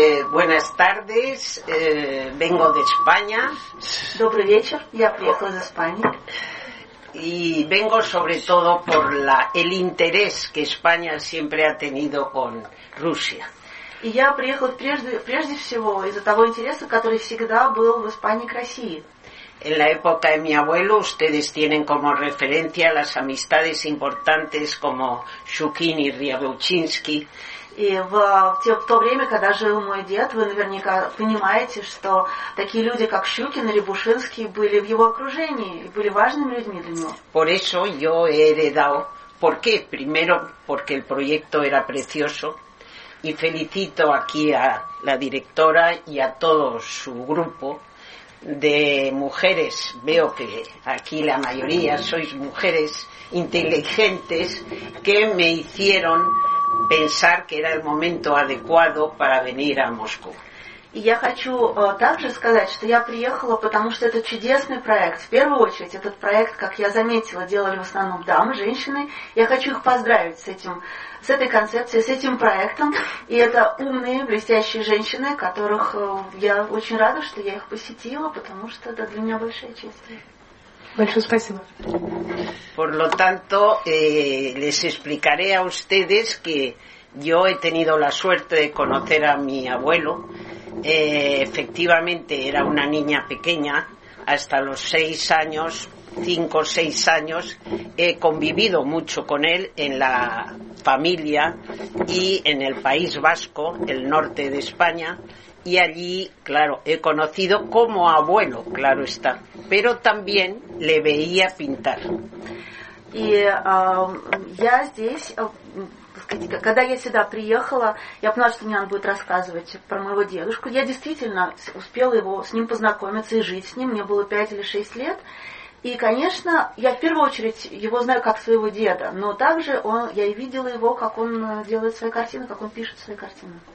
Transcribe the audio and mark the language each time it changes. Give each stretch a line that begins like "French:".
Spanish: Buenas tardes, vengo de España.
Russian: Добрый вечер, я приехала из Испании.
Spanish: Y vengo sobre todo por el interés que España siempre ha tenido con Rusia. Y
Russian: я приехал прежде всего из-за того интереса, который всегда был в Испании к России.
Spanish: En la época de mi abuelo, ustedes tienen como referencia las amistades importantes como Shukin y Ryabuchinsky.
Russian: И в то время, когда жил мой дед, вы наверняка понимаете, что такие люди, как Щукин и Рябушинский, были в его окружении и были важными людьми для него.
Spanish: Por eso yo he heredado. ¿Por qué? Primero, porque el proyecto era precioso. Y felicito aquí a la directora y a todo su grupo de mujeres. Veo que aquí la mayoría sois mujeres inteligentes que me hicieron pensar que era el momento adecuado para venir a Moscú.
Russian: И я хочу также сказать, что я приехала, потому что это чудесный проект. В первую очередь, этот проект, как я заметила, делали в основном дамы, женщины. Я хочу их поздравить с этой концепцией, с этим проектом. И это умные, блестящие женщины, которых я очень рада, что я их посетила, потому что это для меня большая честь. Большое спасибо.
Spanish: Por lo tanto, les explicaré a ustedes que yo he tenido la suerte de conocer a mi abuelo. Efectivamente, era una niña pequeña. Hasta los 5 o 6 años, he convivido mucho con él en la familia y en el País Vasco, el norte de España. Y allí, claro, he conocido como abuelo, claro está, pero también le veía pintar. Y
Russian: я здесь книга. Когда я сюда приехала, я поняла, что мне надо будет рассказывать про моего дедушку. Я действительно успела его с ним познакомиться и жить с ним. Мне было 5 или 6 лет. И, конечно, я в первую очередь его знаю как своего деда, но также он, я и видела его, как он делает свои картины, как он пишет свои картины.